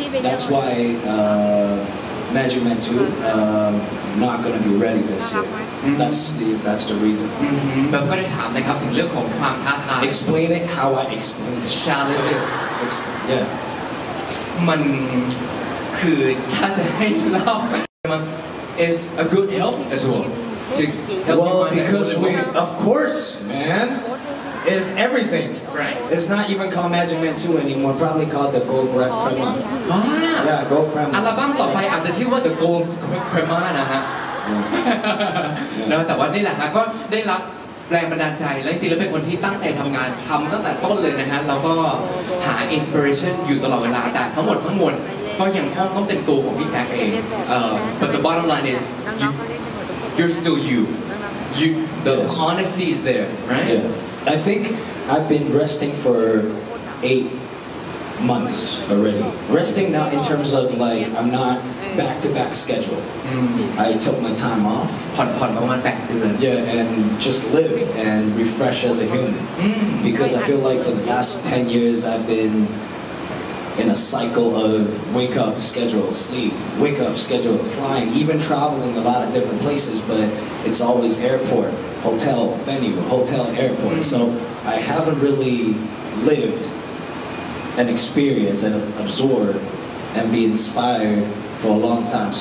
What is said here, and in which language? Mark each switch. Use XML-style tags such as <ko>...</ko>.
<en>That's why Magic Man 2 not gonna be ready this year. Mm-hmm. That's the reason. Mm-hmm. But</en> <th>ก็ถามนะครับถึงเรื่องของความท้าทาย</th> <en>Explain it how I explain it. Challenges. Yeah.</en> <th>มันคือถ้าจะให้เล่ามัน</th> <en>is a good help as well. Well, because we, of course, man, is everything. Right. It's not even called Magic Man 2 anymore. Probably called the Gold Crema. Ah. Yeah, Gold Crema.</en> <th>อัลบั้มต่อไปอาจจะชื่อว่า The Gold Crema นะฮะแต่ว่านี่แหละก็ได้รับแรงบันดาลใจและจริงๆแล้วเป็นคนที่ตั้งใจทำงานทำตั้งแต่ต้นเลยนะฮะเราก็หาอินสปิเรชันอยู่ตลอดเวลาแต่ทั้งหมดทั้งมวลก็ยังคงต้องเป็นตัวของพี่แจ็คเอง</th> <en>But the bottom line is you're still you the honesty is there right yeah. I think I've been resting for 8 months already resting not in terms of like I'm notback to back schedule I took my time off</en> <th>ผ่อนประมาณ8เดือน</th> <en>yeah and just live and refresh as a human because I feel like for the last 10 years I've been in a cycle of wake up schedule sleep wake up schedule flying even traveling a lot of different places but it's always airport hotel venue hotel airport so I haven't really lived an experience and absorb and be inspiredfor a long time.</en>